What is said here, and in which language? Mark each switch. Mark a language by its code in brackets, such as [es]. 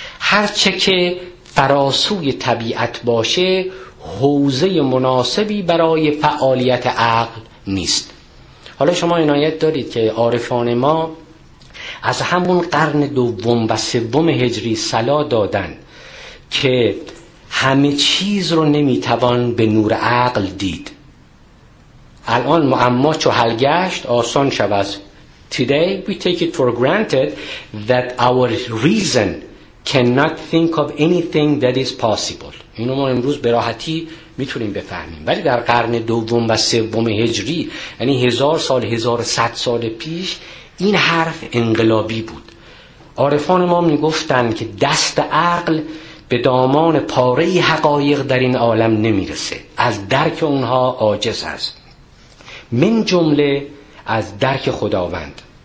[fa] هرچه که فراسوی طبیعت باشه حوزه مناسبی برای فعالیت عقل نیست. حالا شما عنایت دارید که عارفان ما از همون قرن دوم و سوم هجری صلا دادن که همه چیز رو نمیتوان به نور عقل دید. الان معما چو حل گشت آسان شود. [en] Today we take it for granted that our reason cannot think of anything that is possible. [fa] اینو ما امروز به راحتی میتونیم بفهمیم. ولی در قرن دوم و سوم هجری، یعنی 1000 سال، 1100 سال پیش، این حرف انقلابی بود. عارفان ما میگفتن که دست عقل به دامان پاره حقایق در این عالم نمیرسه، از درک اونها عاجز است، من جمله از درک خداوند.